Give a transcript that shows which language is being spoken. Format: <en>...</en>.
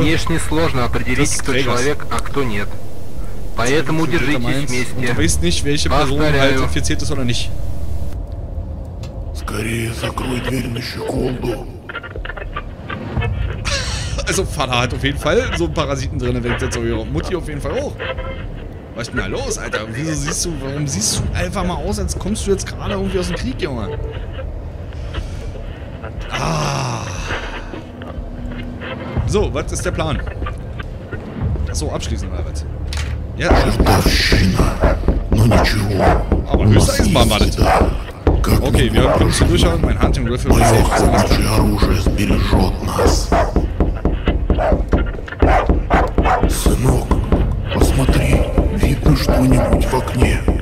<ru>Внешне сложно определить, кто человек, а кто нет. Поэтому держитесь вместе.</ru> <de>Und du weißt nicht, welche Person halt infiziert ist oder nicht.</de> <ru>Скорее закрой дверь на щеколду.</ru> <de>Also Vater hat auf jeden Fall so einen Parasiten drin, wenn ich das so höre. Mutti auf jeden Fall auch. Was ist denn da los, Alter? Warum siehst du einfach mal aus, als kommst du jetzt gerade irgendwie aus dem Krieg, Junge? So, was ist der Plan? Achso, abschließen, Albert.</de> <ru>Ja, Чертовщина. Ну ничего.</ru> <de>Aber Höchsteisenbahn war das. Okay, wir haben uns durchschauen. Mein Hunting Rifle war sehr gut. Mein Hunting Rifle</de> <ru>сбережет нас. Сынок, посмотри, видно что-нибудь в окне.</ru>